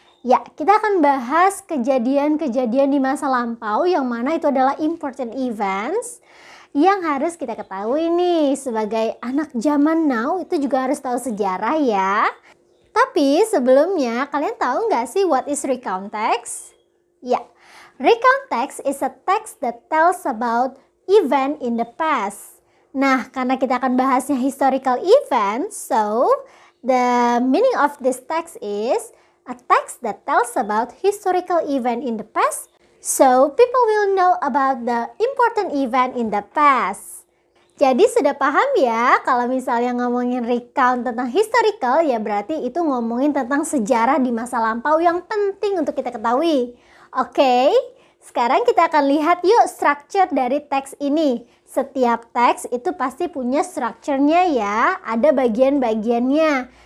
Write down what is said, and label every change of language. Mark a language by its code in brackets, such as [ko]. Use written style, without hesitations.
[id] Ya, kita akan bahas kejadian-kejadian di masa lampau yang mana itu adalah [en] important events [id] yang harus kita ketahui nih. Sebagai anak zaman now, itu juga harus tahu sejarah ya. Tapi sebelumnya, kalian tahu nggak sih [en] what is recount text? Ya, recount text is a text that tells about event in the past. Nah, [id] karena kita akan bahasnya [en] historical event, so the meaning of this text is a text that tells about historical event in the past, so people will know about the important event in the past. [id] Jadi sudah paham ya, kalau misalnya ngomongin recount tentang historical, ya berarti itu ngomongin tentang sejarah di masa lampau yang penting untuk kita ketahui. Oke? Sekarang kita akan lihat yuk structure dari teks ini. Setiap teks itu pasti punya structure-nya ya, ada bagian-bagiannya.